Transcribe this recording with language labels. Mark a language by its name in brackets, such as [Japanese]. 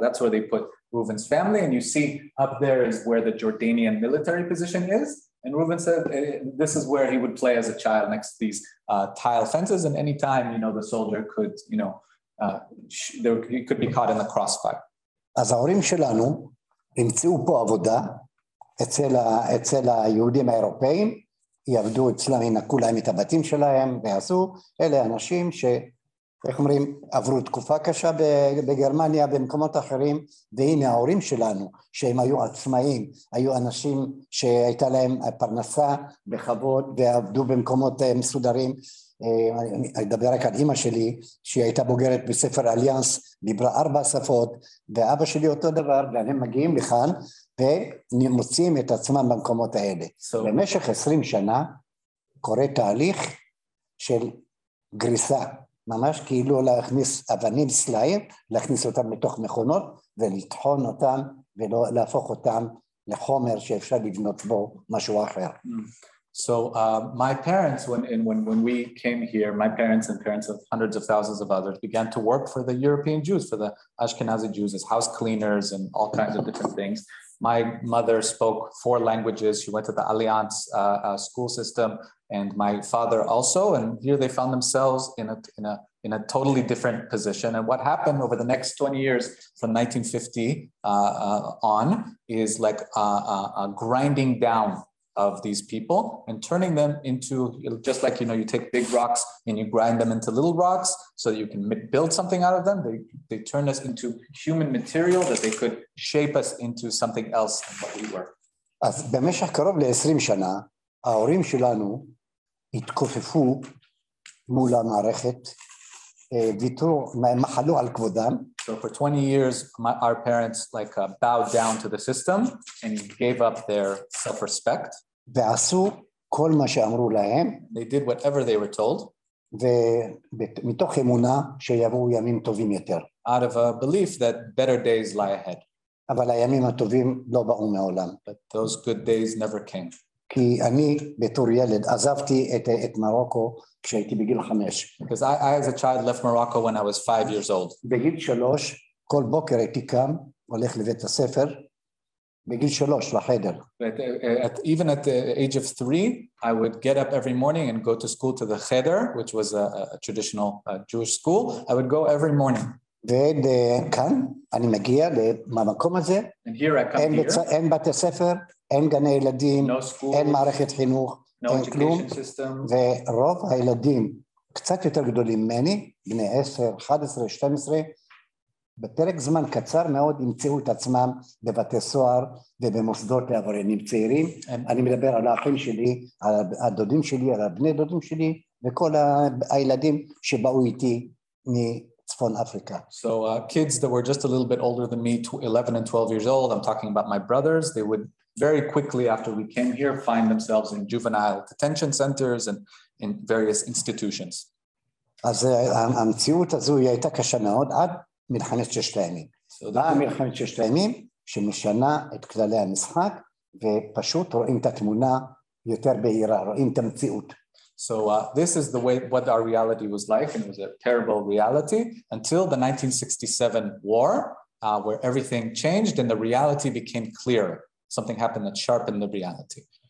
[English] That's where they put Reuven's family, and you see up there is where the Jordanian military position is, And Reuven said, this is where he would play as a child next to these tile fences. And anytime, you know, the soldier could, you know, he could be caught in the crossfire. [Hebrew] אז ההורים שלנו המציאו פה עבודה אצל היהודים האירופאים, יעבדו אצלם, ינקו להם את הבתים שלהם ועשו, אלה אנשים ש, איך אומרים, עברו תקופה קשה בגרמניה, במקומות אחרים, והנה ההורים שלנו, שהם היו עצמאים, היו אנשים שהייתה להם פרנסה בכבוד ועבדו במקומות מסודרים, אני אדבר רק על אמא שלי, שהיא הייתה בוגרת בספר אליאנס, דיברה ארבע שפות, ואבא שלי אותו דבר, והם מגיעים לכאן, ומוצאים את עצמם במקומות האלה. במשך 20 שנה, קורה תהליך של גריסה, ממש כאילו להכניס אבנים סלעים, להכניס אותם מתוך מכונות, ולטחון אותם, ולהפוך אותם לחומר שאפשר לבנות בו משהו אחר. [English] So my parents, when we came here, my parents and parents of hundreds of thousands of others began to work for the European Jews, for the Ashkenazi Jews, as house cleaners and all kinds of different things. My mother spoke four languages. She went to the Allianz school system, and my father also. And here they found themselves in a totally different position. And what happened over the next 20 years from 1950 on is like a grinding down of these people and turning them into, just like, you know, you take big rocks and you grind them into little rocks so that you can build something out of them. They turn us into human material that they could shape us into something else than what we were. [Hebrew] אז במשך קרוב ל-20 שנה, ההורים שלנו התכופפו מול המערכת, ויתרו, מחלו על כבודם. [English] So for 20 years, our parents like bowed down to the system and gave up their self-respect. [Hebrew] ועשו כל מה שאמרו להם. [English] They did whatever they were told. [Hebrew] ומתוך אמונה שיבואו ימים טובים יותר. [English] Out of a belief that better days lie ahead. [Hebrew] אבל הימים הטובים לא באו מעולם. [English] But those good days never came. [Hebrew] כי אני בתור ילד עזבתי את מרוקו כשהייתי בגיל 5. [English] Because I as a child left Morocco when I was 5 years old. [Hebrew] בגיל 3 כל בוקר הייתי קם, הולך לבית הספר, בגיל 3 לחדר. [English] Even at the age of 3, I would get up every morning and go to school to the cheder, which was a traditional Jewish school. I would go every morning. [Hebrew] ועד כאן, אני מגיע למקום הזה. [English] And here I come here. [Hebrew] אין בתי ספר. אין גני ילדים, אין מערכת חינוך, אין כלום, ורוב הילדים קצת יותר גדולים ממני, בני 10, 11, 12, בפרק זמן קצר מאוד המציאו את עצמם בבתי סוהר ובמוסדות לעבריינים צעירים. אני מדבר על האחים שלי, על הדודים שלי, על הבני דודים שלי, וכל הילדים שבאו איתי מצפון אפריקה. [English] So kids that were just a little bit older than me, 11 and 12 years old, I'm talking about my brothers, they would very quickly after we came here find themselves in juvenile detention centers and in various institutions. [Hebrew] אז המציאות הזו היא הייתה קשה מאוד עד מלחמת ששת הימים. באה מלחמת ששת הימים שמשנה את כללי המשחק ופשוט רואים את התמונה יותר בהירה, רואים את המציאות. [English] So this is the way what our reality was like, and it was a terrible reality until the 1967 war, where everything changed and the reality became clear. Something happened that sharpened the reality.